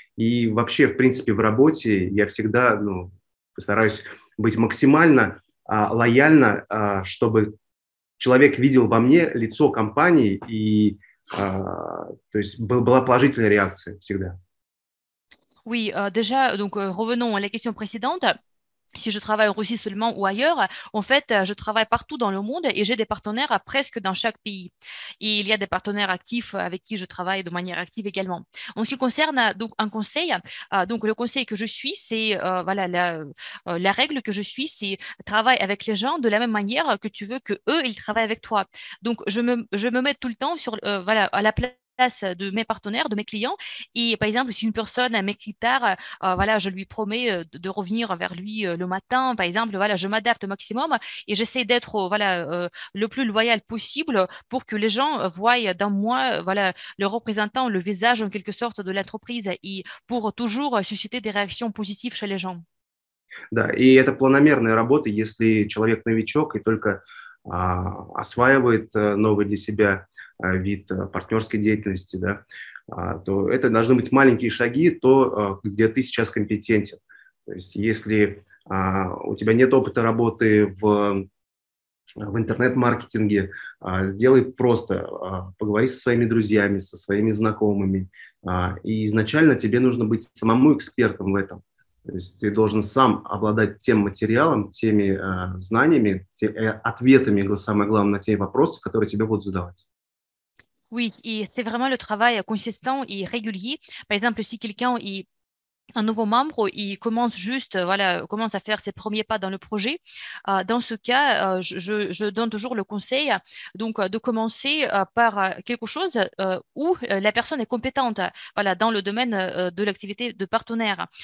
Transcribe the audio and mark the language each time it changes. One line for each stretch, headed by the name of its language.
Russian: И вообще, в принципе, в работе я всегда, ну, постараюсь быть максимально лояльно, чтобы человек видел во мне лицо компании и то есть была положительная реакция всегда.
French: Oui, déjà, donc, revenons à la question précédente. Si je travaille en Russie seulement ou ailleurs, en fait, je travaille partout dans le monde et j'ai des partenaires presque dans chaque pays. Et il y a des partenaires actifs avec qui je travaille de manière active également. En ce qui concerne donc un conseil, donc le conseil que je suis, c'est voilà la règle que je suis, c'est travaille avec les gens de la même manière que tu veux que eux ils travaillent avec toi. Donc je me mets tout le temps sur voilà à la place de mes partenaires, de mes clients. Et par exemple, si une personne m'écrit tard, voilà, je lui promets de revenir vers lui le matin. Par exemple, voilà, je m'adapte au maximum et j'essaie d'être voilà, le plus loyal possible pour que les gens voient dans moi voilà, le représentant, le visage en quelque sorte de l'entreprise et pour toujours susciter des réactions positives chez les gens.
Russian: Да, и это планомерная работа, если человек новичок и только осваивает новый для себя вид партнерской деятельности, да, то это должны быть маленькие шаги, то, где ты сейчас компетентен. То есть если у тебя нет опыта работы в интернет-маркетинге, сделай просто, поговори со своими друзьями, со своими знакомыми. И изначально тебе нужно быть самому экспертом в этом. То есть ты должен сам обладать тем материалом, теми знаниями, ответами, самое главное, на те вопросы, которые тебе будут задавать.
French: Oui, et c'est vraiment le travail consistant et régulier. Par exemple, si quelqu'un un nouveau membre, il commence juste, voilà, commence à faire ses premiers pas dans le projet. Dans ce cas, je donne toujours le conseil donc, de commencer par quelque chose où la personne est compétente, voilà, dans le domaine de l'activité de partenaire.